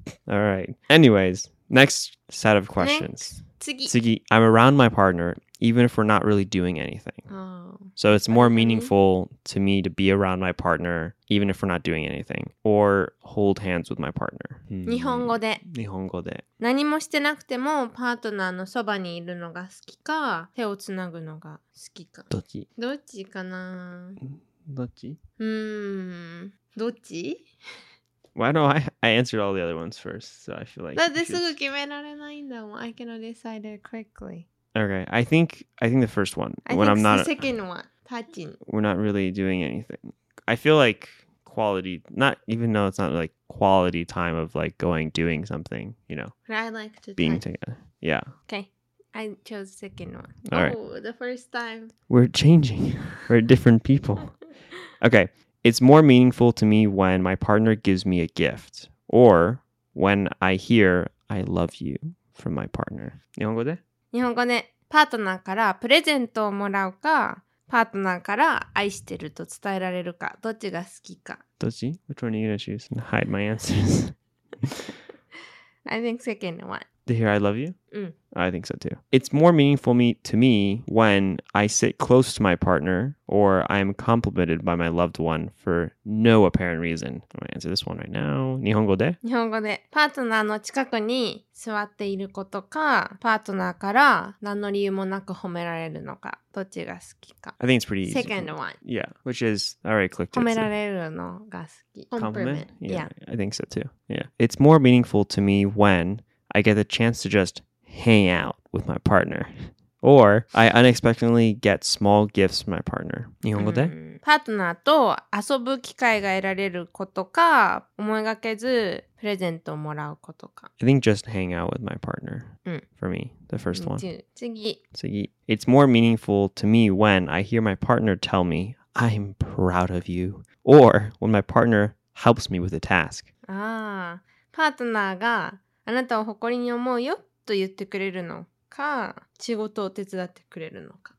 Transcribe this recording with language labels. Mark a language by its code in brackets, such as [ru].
[en] All right, anyways, next set of questions. Next. Tsugi, I'm around my partner even if we're not really doing anything. Oh, so it's more meaningful to me to be around my partner even if we're not doing anything, or hold hands with my partner. [ja] 日本語で。何もしてなくてもパートナーのそばにいるのが好きか、手をつなぐのが好きか。どっちかな。どっち？どっち？ [en] Why don't I answered all the other ones first, so I feel like... But this is just... [ja] 決められないんだもん. [en] I cannot decide it quickly. Okay, I think the first one. I think the second one. Touching. We're not really doing anything. I feel like quality, not even though it's not like quality time of like going, doing something, you know. But I like to being touch. Together. Yeah. Okay. I chose second one. All right. The first time. We're changing. We're different people. Okay. It's more meaningful to me when my partner gives me a gift, or when I hear I love you from my partner. [ja] 日本語で? パートナーからプレゼントをもらうか、パートナーから愛してると伝えられるか、どっちが好きか。どっち? [en] Which one are you gonna choose? And hide my answers. I think second one. To hear I love you? Mm. I think so too. It's more meaningful to me when I sit close to my partner, or I am complimented by my loved one for no apparent reason. I'm going to answer this one right now. [ja] 日本語で? パートナーの近くに座っていることか、パートナーから何の理由もなく褒められるのか、どっちが好きか。 [en] I think it's pretty easy. Second one. Yeah, which is, all right, click to [ja] it. 褒められるのが好き。 [en] Compliment? Yeah. I think so too. Yeah. It's more meaningful to me when... I get the chance to just hang out with my partner. Or I unexpectedly get small gifts from my partner. [ja] 日本語で? パートナーと遊ぶ機会が得られることか、思いがけずプレゼントをもらうことか。 [en] I think just hang out with my partner. For me, the first one. [ja] 次。 [en] It's more meaningful to me when I hear my partner tell me, I'm proud of you. Or when my partner helps me with a task. [ja] ああ、パートナーが、あなたを誇りに思うよと言ってくれるのか、仕事を手伝ってくれるのか。